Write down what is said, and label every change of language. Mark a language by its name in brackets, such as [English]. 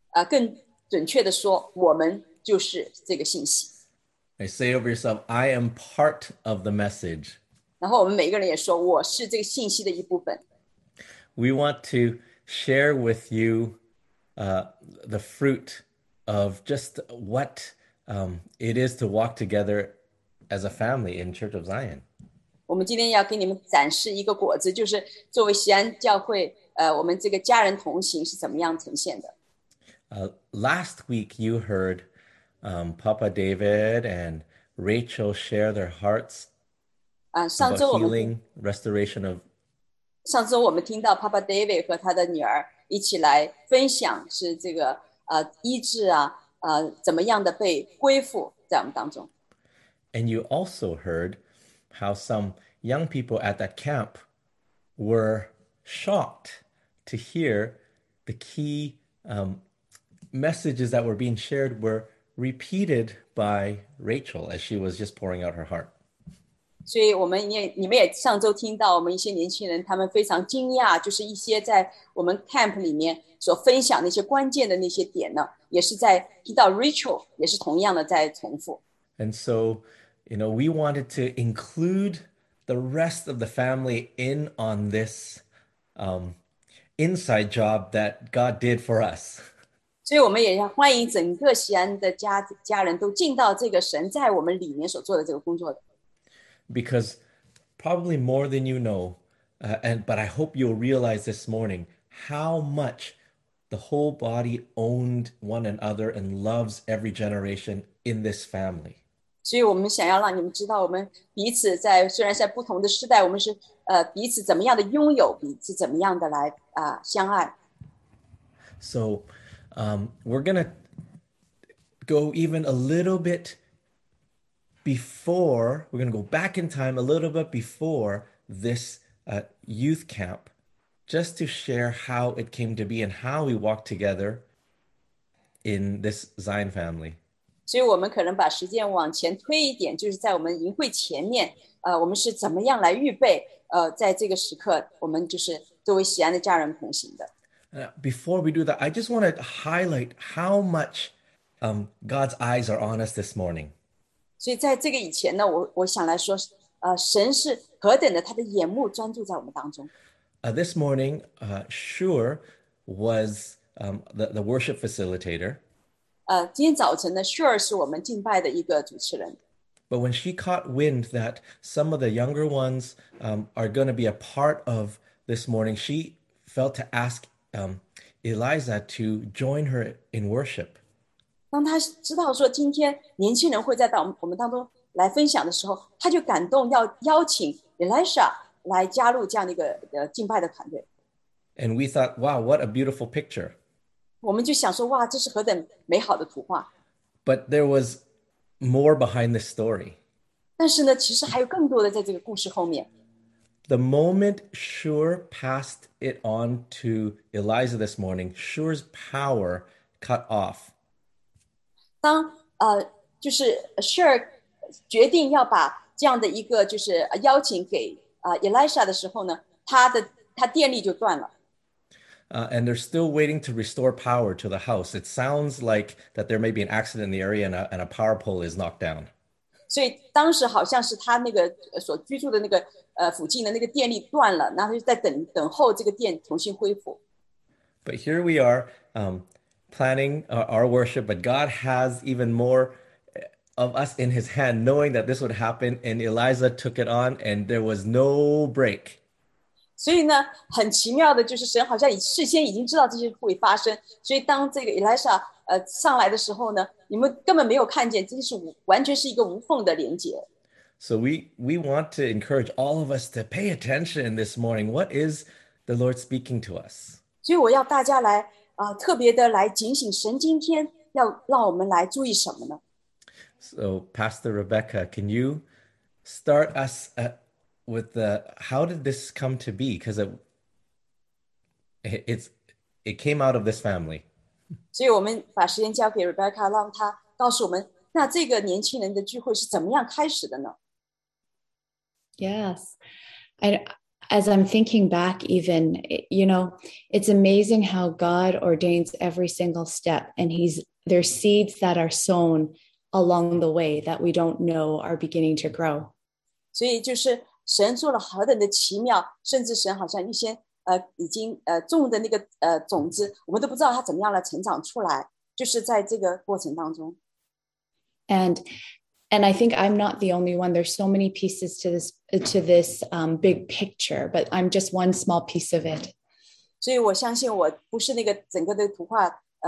[Chinese] 更准确地说, 我们就是这个信息。 [English] I say over yourself, I am part of the message. [Chinese] 然后我们每个人也说, 我是这个信息的一部分。 [English] We want to share with you the fruit of just what it is to walk together as a family in Church of Zion. [Chinese] 我们今天要给你们展示一个果子，就是作为锡安教会，我们这个家人同行是怎么样呈现的。 [English] Last week, you heard Papa David and Rachel share their hearts about healing, restoration of. [Chinese] 上周我们听到 Papa David 和他的女儿一起来分享，是这个医治啊，怎么样的被恢复在我们当中。 [English] And you also heard how some young people at that camp were shocked to hear the key messages that were being shared were repeated by Rachel as she was just pouring out her heart. [Chinese] 所以，你们也上周听到我们一些年轻人，他们非常惊讶，就是一些在我们 camp 里面所分享那些关键的那些点呢，也是在提到 Rachel，也是同样的在重复。 [English] And so, you know, we wanted to include the rest of the family in on this inside job that God did for us. [Chinese] 所以，我们也要欢迎整个西安的家人都进到这个神在我们里面所做的这个工作的。 [English] Because probably more than you know, but I hope you'll realize this morning how much the whole body owned one another and loves every generation in this family. [Chinese] 所以我们想要让你们知道，我们彼此在虽然在不同的时代，我们是彼此怎么样的拥有，彼此怎么样的来相爱。 [English] So, we're gonna go even a little bit before, we're gonna go back in time a little bit before this youth camp just to share how it came to be and how we walk together in this Zion family. [Chinese] 所以我们可能把时间往前推一点，就是在我们营会前面，我们是怎么样来预备，在这个时刻，我们就是作为喜安的家人同行的。 [English] Before we do that, I just want to highlight how much God's eyes are on us this morning. [Chinese] 所以在这个以前呢，我想来说，神是何等的，他的眼目专注在我们当中。 [English] This morning, Shur was the worship facilitator. [Chinese] 今天早晨呢，Sure 是我们敬拜的一个主持人。 [English] But when she caught wind that some of the younger ones are going to be a part of this morning, she felt to ask Eliza to join her in worship. [Chinese] 当他知道说今天年轻人会在我们当中来分享的时候，他就感动要邀请 Elisha 来加入这样的一个敬拜的团队。 [English] And we thought, wow, what a beautiful picture. [Chinese] 我们就想说，哇，这是何等美好的图画。 [English] But there was more behind this story. [Chinese] 但是呢，其实还有更多的在这个故事后面。 [English] The moment Shur passed it on to Eliza this morning, Shur's power cut off. [Chinese] 当就是 Sher 决定要把这样的一个就是邀请给Elisha 的时候呢，他电力就断了。 [English] And they're still waiting to restore power to the house. It sounds like that there may be an accident in the area and a power pole is knocked down. [Chinese] 所以当时好像是他那个所居住的那个附近的那个电力断了，然后就在等候这个电重新恢复。 [English] But here we are, planning our worship, but God has even more of us in His hand, knowing that this would happen, and Eliza took it on, and there was no break. [Chinese] 所以呢，很奇妙的就是神好像事先已经知道这些会发生，所以当这个 Elisha 上来的时候呢，你们根本没有看见，这就是完全是一个无缝的连接。 [English] So we want to encourage all of us to pay attention this morning. What is the Lord speaking to us? [Chinese] 所以我要大家来特别的来警醒，神今天要让我们来注意什么呢？ [English] So Pastor Rebecca, can you start us with the how did this come to be? Because it came out of this family. [Chinese] 所以我们把时间交给 Rebecca，让她告诉我们，那这个年轻人的聚会是怎么样开始的呢？ [English] Yes. As I'm thinking back, it's amazing how God ordains every single step, and there's seeds that are sown along the way that we don't know are beginning to grow. [Chinese] 所以就是神做了何等的奇妙，甚至神好像预先已经种的那个种子，我们都不知道它怎么样来成长出来，就是在这个过程当中。 [English] And I think I'm not the only one. There's so many pieces to this big picture, but I'm just one small piece of it. [Chinese] 所以我相信我不是那个整个的图画，